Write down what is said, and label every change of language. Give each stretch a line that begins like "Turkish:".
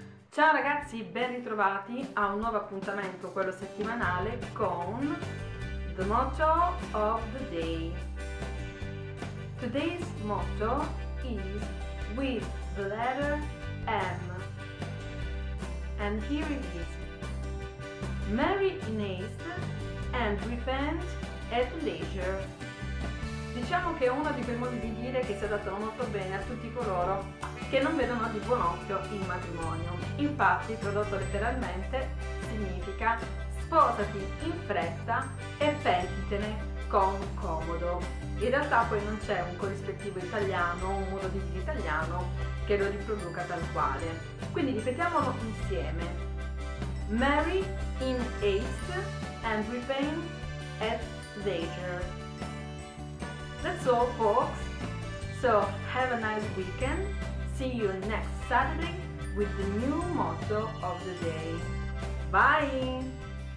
Italian: Ciao ragazzi, ben ritrovati a un nuovo appuntamento, quello settimanale, con The Motto of the Day.
English: Today's motto is with the letter M. And here it is. Marry in haste and repent at leisure.
Italian: Diciamo che è uno di quei modi di dire che si adattano molto bene a tutti coloro che non vedono di buon occhio il matrimonio. Infatti, tradotto letteralmente, significa sposati in fretta e pentitene con comodo. In realtà poi non c'è un corrispettivo italiano, un modo di dire italiano che lo riproduca tal quale. Quindi ripetiamolo insieme.
English: Marry in haste and repent at leisure. That's all folks. So have a nice weekend. See you next Saturday with the new motto of the day. Bye!